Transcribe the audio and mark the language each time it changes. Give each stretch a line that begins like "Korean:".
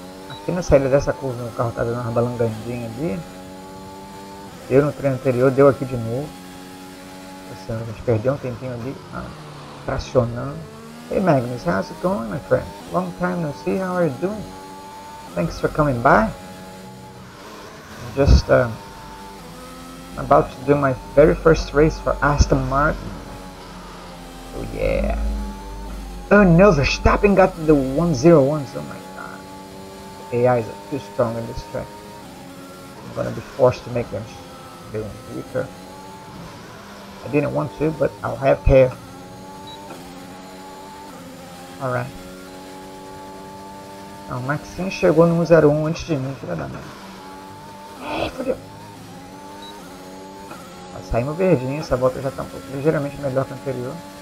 Portuguese: Aqui na saída dessa curva, o carro tá dando uma balangandinha ali. Deu no treino anterior, deu aqui de novo. Assim, a gente perdeu um tempinho ali, ah, tracionando.
English: Hey Magnus, how's it going, my friend? Long time no see, how are you doing? Thanks for coming by. I'm just about to do my very first race for Aston Martin. Oh yeah. Oh no, Verstappen got to the 101s. Oh my god. The AIs are too strong in this track. I'm gonna be forced to make them doing weaker. I didn't want to, but I'll have care. Alright.
Portuguese: Ah, o Maxinho chegou no 01 antes de mim, filha da mãe. Ei, fodeu! Saímos verdinho, essa volta já tá um pouco ligeiramente melhor que a anterior.